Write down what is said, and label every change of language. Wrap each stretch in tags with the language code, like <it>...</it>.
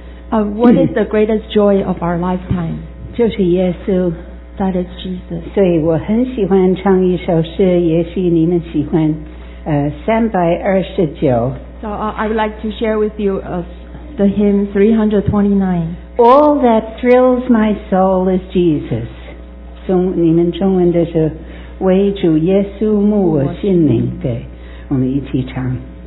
<en>What is the greatest joy of our lifetime?</en> <zh>就是耶稣,</zh> <en>that is Jesus.</en> <zh>所以我很喜欢唱一首诗,也许你们喜欢, 329.</zh> <en>So I would like to share with you the hymn 329. All that thrills my soul is Jesus.</en> <zh>你们中文的是为主耶稣牧我心灵。对,我们一起唱。</zh>